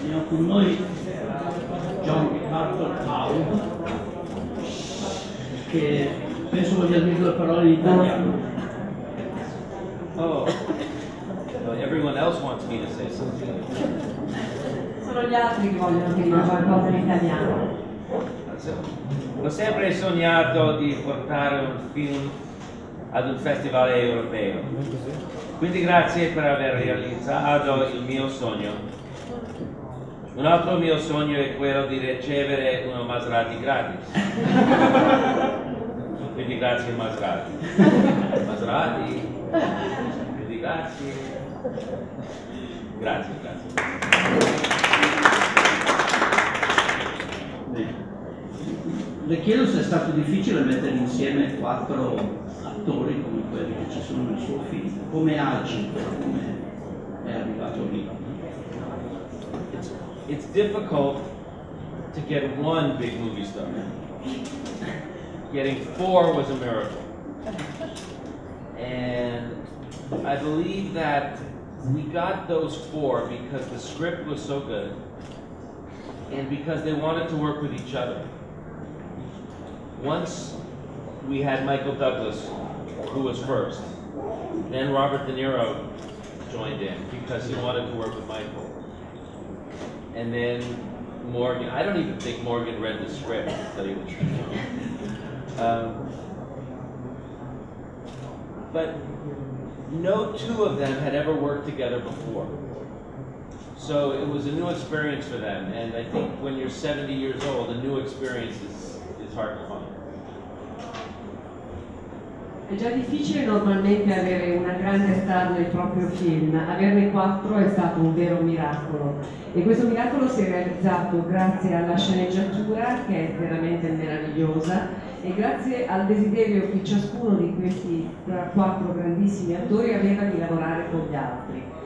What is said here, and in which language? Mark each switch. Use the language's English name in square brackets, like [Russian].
[Italian] con noi John Carter Taub, che penso voglia dire due parole in italiano. [English] Oh, well, everyone else wants me to say something. [Italian] Sono gli altri che vogliono dire qualcosa in italiano. Ho sempre sognato di portare un film ad un festival europeo. Quindi grazie per aver realizzato il mio sogno. Un altro mio sogno è quello di ricevere uno Maserati gratis. Quindi grazie Maserati. Maserati. Quindi grazie. Grazie, grazie. Le chiedo se è stato difficile mettere insieme quattro attori come quelli che ci sono nel suo film. Come agi, come è arrivato lì? [English] It's difficult to get one big movie star. Getting four was a miracle. And I believe that we got those four because the script was so good and because they wanted to work with each other. Once we had Michael Douglas, who was first, then Robert De Niro joined in because he wanted to work with Michael. And then Morgan, I don't even think Morgan read the script, to tell you the truth. But no two of them had ever worked together before. So it was a new experience for them, and I think when you're 70 years old, a new experience is hard to find. [Italian] È già difficile normalmente avere una grande star nel proprio film. Averne quattro è stato un vero miracolo. E questo miracolo si è realizzato grazie alla sceneggiatura, che è veramente meravigliosa, e grazie al desiderio che ciascuno di questi quattro grandissimi attori aveva di lavorare con gli altri.